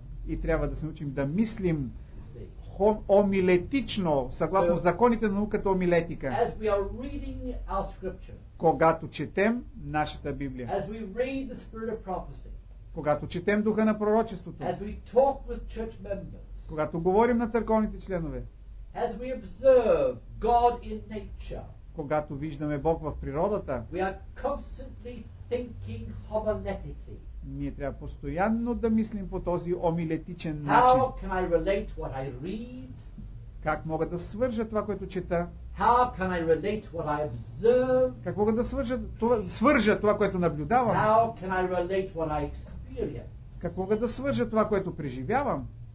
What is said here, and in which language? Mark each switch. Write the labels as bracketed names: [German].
[Bulgarian] И трябва да се научим да мислим омилетично, съгласно законите на науката омилетика. [English] As we are reading our scripture, [Bulgarian] когато четем нашата Библия, [English] as we read the spirit of prophecy, [Bulgarian] когато четем духа на пророчеството, [English] as we talk with church members, [Bulgarian] когато говорим на църковните членове, [English] as we observe God in nature, [Bulgarian] когато виждаме Бог в природата, [English] we are constantly thinking homiletically. [Bulgarian] Ние трябва постоянно да мислим по този омилетичен [English] How [Bulgarian] начин. [English] Can I relate what I read? [Bulgarian] Как мога да свържа това, което чета? [English] How can I relate what I observe? [Bulgarian] Как мога да свържа това, което наблюдавам? [English] How can I relate what I experience? [Bulgarian] Как мога да свържа това, което преживявам?